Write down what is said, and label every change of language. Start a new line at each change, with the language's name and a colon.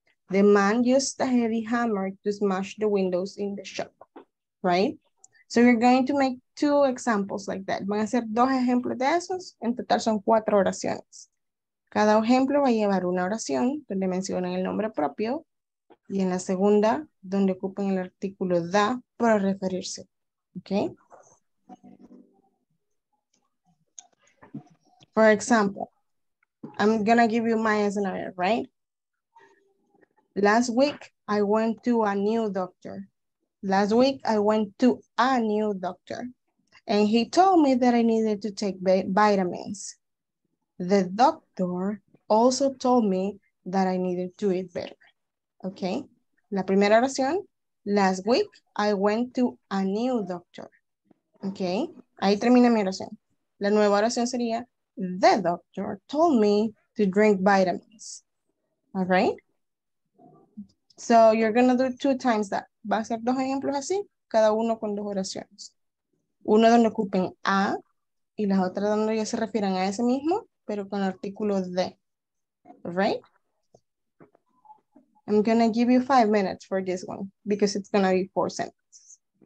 English: The man used a heavy hammer to smash the windows in the shop, right? So you're going to make two examples like that.
Spanish: Van a hacer dos ejemplos de esos. En total son cuatro oraciones. Cada ejemplo va a llevar una oración donde mencionan el nombre propio y en la segunda donde ocupen el artículo da para referirse, okay?
English: For example, I'm gonna give you my scenario, right? Last week, I went to a new doctor. Last week, I went to a new doctor. and he told me that I needed to take vitamins. The doctor also told me that I needed to eat better. Okay,
Spanish: la primera oración,
English: last week I went to a new doctor. Okay,
Spanish: ahí termina mi oración. La nueva oración sería,
English: the doctor told me to drink vitamins. All right? So you're going to do two times that.
Spanish: Va a ser dos ejemplos así, cada uno con dos oraciones. Uno donde ocupen a, y las otras donde ya se refieran a ese mismo, pero con artículo de.
English: All right? I'm going to give you 5 minutes for this one, because it's going to be 4 sentences.